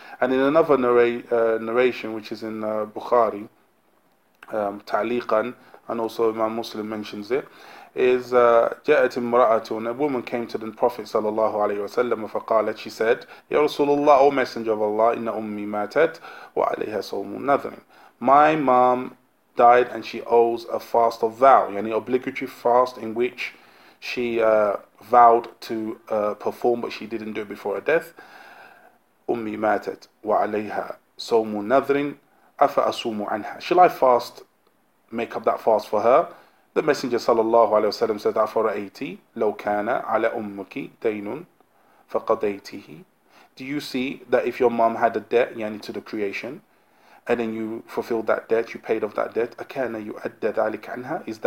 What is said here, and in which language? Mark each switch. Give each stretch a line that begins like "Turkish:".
English: And in another narration, which is in Bukhari, Ta'liqan, and also Imam Muslim mentions it, is
Arabic: جاءت امرأة,
English: and a woman came to the Prophet sallallahu alayhi wa sallam,
Arabic: فقالت,
English: she said,
Arabic: "Ya Rasulullah,
English: O Messenger of Allah,
Arabic: إن أمي ماتت وعليها صوم نذر."
English: My mom died and she owes a fast of vow, yani obligatory fast in which she vowed to perform, but she didn't do it before her death.
Arabic: أمي ماتت وعليها صوم نذر أفأصوم عنها.
English: Shall I fast, make up that fast for her? The Messenger sallallahu alayhi wa sallam said,
Arabic: "Afara'aiti law kana ala ummuki daynun faqadaytihi."
English: Do you see that if your mom had a debt, yani to the creation, and then you fulfilled that debt, you paid off that debt,
Arabic: akana yu'adda dhalik anha?